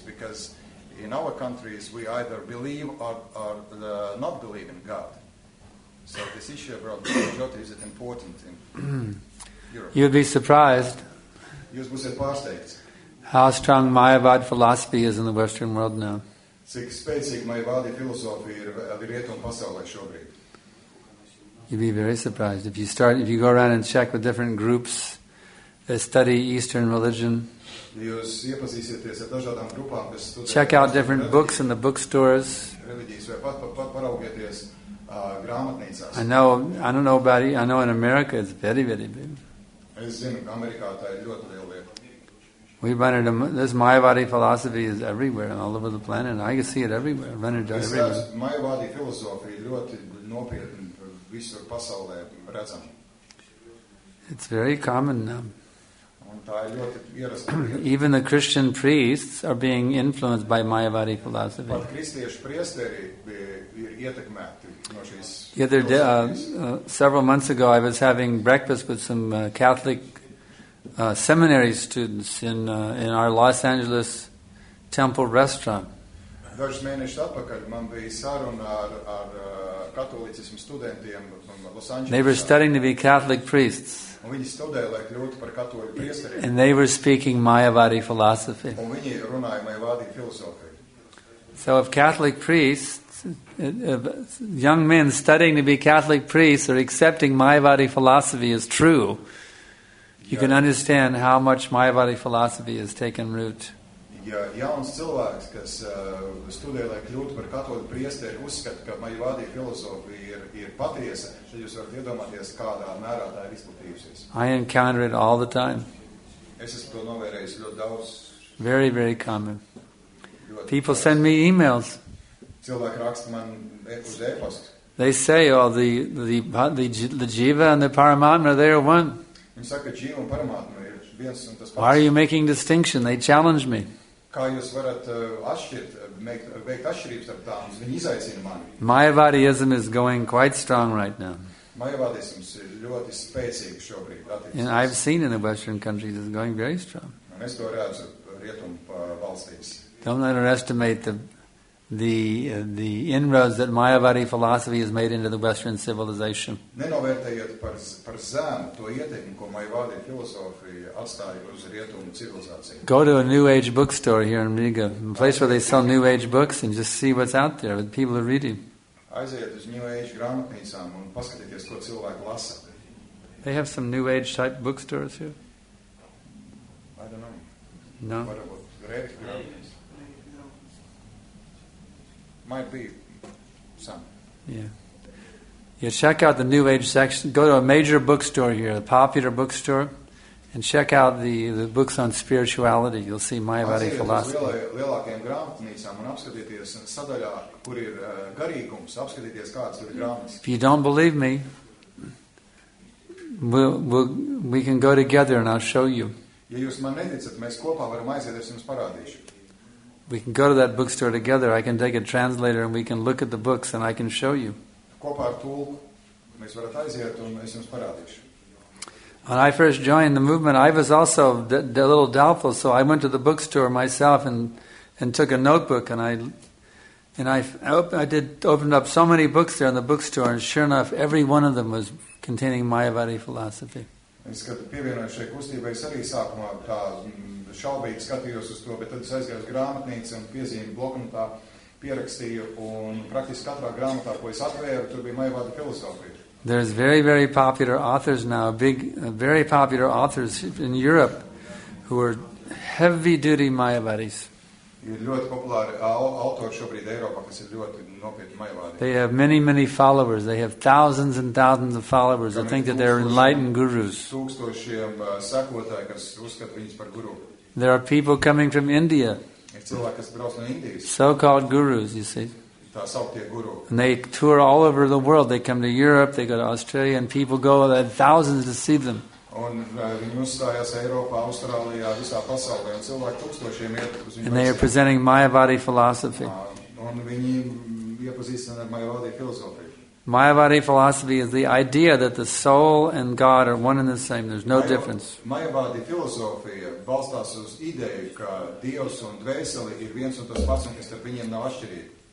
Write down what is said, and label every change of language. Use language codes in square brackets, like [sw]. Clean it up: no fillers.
[en] Because in our countries we either believe or not believe in God. So this issue about Brahma Jyoti, is it important in Europe? You'd be surprised. [lv] Jūs būsiet pārsteigts. [en] How strong Mayavad philosophy is in the Western world now. [lv] Cik spēcīga Mayavad filozofija ir rietumu pasaulē šobrīd. [en] You'd be very surprised if you go around and check with different groups that study Eastern religion. [lv] Jūs iepazīsieties ar dažādām grupām, kas studē. [en] Check out different books in the bookstores. [lv] Religijas vai pat paraugieties grāmatnīcās. [en] I know in America it's very, very big. [lv] Es zinu, Amerikā tā ir ļoti liela lieta. [en] This Mayavadi philosophy is everywhere and all over the planet. I can see it everywhere. [lv] Mayavadi filozofija ir ļoti nopietna. Visur pasaulē redzam. [en] It's very common now. [lv] Un tā ir ļoti ierasta. [en] Even the Christian priests are being influenced by Mayavadi philosophy. [lv] Pat kristiešu priesteri ir ietekmēti no šīs. [en] The other day, several months ago, I was having breakfast with some Catholic seminary students in our Los Angeles temple restaurant. [lv] Dažus mēnešus atpakaļ man bija saruna ar katolicismu studentiem Los Angeles. [en] They were studying to be Catholic priests. [lv] Un viņi studēja, lai kļūtu par katoļu priesteriem. [en] And they were speaking Mayavadi philosophy. [lv] Un viņi runāja Mayavadi filozofiju. [en] So if Catholic priests, if young men studying to be Catholic priests are accepting Mayavadi philosophy as true, you can understand how much Mayavadi philosophy has taken root. [lv] Ja jauns cilvēks, kas studē, lai kļūtu par katoļu priesteri, uzskata, ka Mayavadi filozofija ir patiesa, tad jūs varat iedomāties, kādā mērā tā ir izplatījusies. [en] I encounter it all the time. [lv] Es esmu to novērējis ļoti daudz. [en] Very, very common. People send me emails. [lv] Cilvēki raksta man uz e-pastu. [en] They say, oh, the Jiva and the Paramatma, they are one. [lv] Viņi saka, ka Jiva un Paramatma ir viens un tas pats. [en] Why are you making distinction? They challenge me. [lv] Kā jūs varat veikt atšķirības ar tām? Viņi izaicina mani. [en] Mayavadism is going quite strong right now. [lv] Mayavadisms ir ļoti spēcīgs šobrīd. [en] And I've seen in the Western countries it's going very strong. [lv] Un es to redzu rietumu valstīs. [en] Don't underestimate the inroads that Mayavadi philosophy has made into the Western civilization. [lv] Nenovērtējiet par zemu to ietekmi, ko Mayavadi filozofija atstāja uz rietumu civilizāciju. [en] Go to a New Age bookstore here in Riga, a place where they sell New Age books, and just see what's out there, what people are reading. [lv] Aiziet uz New Age grāmatnīcām un paskatieties, ko cilvēki lasa. [en] They have some New Age type bookstores here. I don't know. No. [lv] Varbūt [en] might be some. Yeah. Yeah, check out the New Age section. Go to a major bookstore here, a popular bookstore, and check out the books on spirituality. You'll see Mayavadi philosophy. [lv] Lielākajām grāmatnīcām un apskatieties sadaļā, kur ir garīgums, apskatieties, kāds ir grāmatas. [en] If you don't believe me, we can go together and I'll show you. [lv] Ja jūs man neticat, mēs kopā varam aiziet, es jums parādīšu. [en] We can go to that bookstore together. I can take a translator and we can look at the books and I can show you. [lv] Kopā ar tulku mēs varat aiziet un es jums parādīšu. [en] When I first joined the movement, I was also a little doubtful, so I went to the bookstore myself and took a notebook and I opened up so many books there in the bookstore, and sure enough, every one of them was containing Mayavadi philosophy. [lv] Es, kad pievienojos šai kustībai, arī sākumā tā šaubīgi skatījos uz to, bet tad es aizgāju uz grāmatnīcu un piezīmi bloknotā pierakstīju, un praktiski katrā grāmatā, ko es atvēru, tur bija Mayavadi filozofija. [en] There's very, very popular authors now, big, very popular authors in Europe who are heavy-duty Mayavadis. [lv] Ir ļoti populāri autori šobrīd Eiropā, kas ir ļoti nopietni Mayavadi. [en] They have many, many followers. They have thousands and thousands of followers who think that they're enlightened gurus. [lv] Tūkstošiem sekotāji, kas uzskata viņus par guru. [en] There are people coming from India. [lv] Ir cilvēki, kas brauc no Indijas. [en] So-called gurus, you see. [lv] tā sauktie guru. [en] And they tour all over the world. They come to Europe, they go to Australia, and people go there thousands to see them. [lv] Un viņi uzstājās Eiropā, Austrālijā, visā pasaulē, un cilvēki tūkstošiem iet uz viņu. [en] And they are presenting Mayavadi philosophy. [lv] Un viņi iepazīstina ar Mayavadi filozofiju. [en] Mayavadi philosophy is the idea that the soul and God are one and the same. There's no difference. [lv] Mayavadi filozofija balstās uz ideju, ka Dievs un dvēseli ir viens un tas pats, un ka starp viņiem nav atšķirība.